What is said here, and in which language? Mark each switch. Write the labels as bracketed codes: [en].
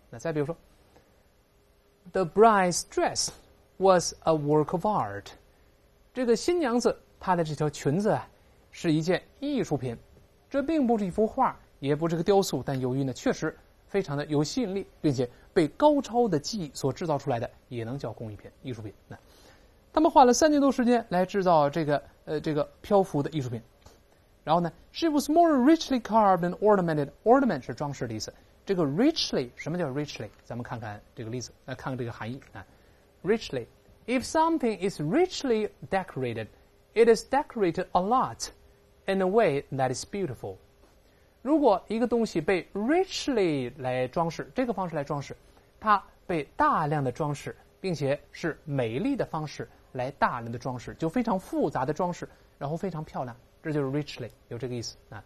[zh] 那再比如说 ， [en] The bride's dress was a work of art， [zh] 这个新娘子她的这条裙子啊，是一件艺术品，这并不是一幅画。也不是个雕塑，但由于呢确实非常的有吸引力，并且被高超的技艺所制造出来的，也能叫工艺品、艺术品。那他们花了3年多时间来制造这个漂浮的艺术品。然后呢 [en] ，She was more richly carved and ornamented. [zh] Ornament 是装饰的意思。这个 richly 什么叫 richly？咱们看看这个例子，看看这个含义啊。 [en] Richly， if something is richly decorated， it is decorated a lot in a way that is beautiful。 [zh] 如果一个东西被 richly 来装饰，这个方式来装饰，它被大量的装饰，并且是美丽的方式来大量的装饰，就非常复杂的装饰，然后非常漂亮，这就是 richly， 有这个意思。